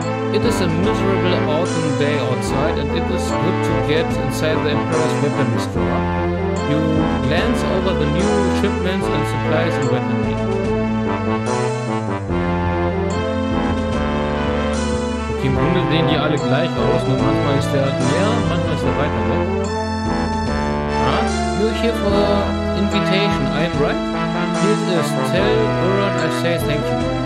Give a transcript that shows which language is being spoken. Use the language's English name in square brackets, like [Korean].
[English] It is a miserable autumn day outside, and it is good to get inside the Emperor's weapon store. You glance over the new shipments and supplies and weaponry. [German] Okay, im Grunde sehen die alle gleich aus, nur manchmal ist der leer, manchmal ist der weiter weg. [English] Ah, you're here for the invitation, I'm right? Here's this, tell Uran I say thank you.